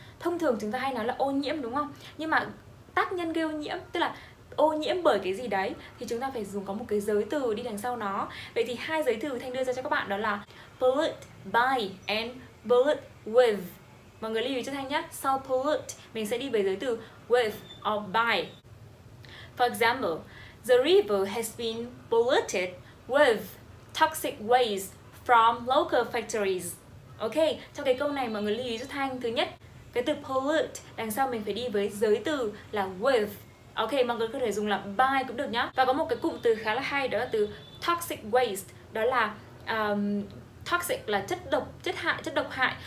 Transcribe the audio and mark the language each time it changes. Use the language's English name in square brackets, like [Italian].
[Vietnamese] Thông thường chúng ta hay nói là ô nhiễm đúng không? Nhưng mà tác nhân gây ô nhiễm, tức là ô nhiễm bởi cái gì đấy, thì chúng ta phải dùng có một cái giới từ đi đằng sau nó. Vậy thì hai giới từ Thanh đưa ra cho các bạn đó là pollute by and pollute with. Mọi người lưu ý cho Thanh nhé. Sau pollute mình sẽ đi về giới từ with or by. [English] For example, the river has been polluted with toxic waste from local factories. [Vietnamese] Ok, trong cái câu này mọi người lưu ý cho Thanh. Thứ nhất, cái từ pollute đằng sau mình phải đi với giới từ là with. Ok, mọi người có thể dùng là by cũng được nhá. Và có một cái cụm từ khá là hay, đó là từ toxic waste. Đó là toxic là chất độc, chất hại, chất độc hại.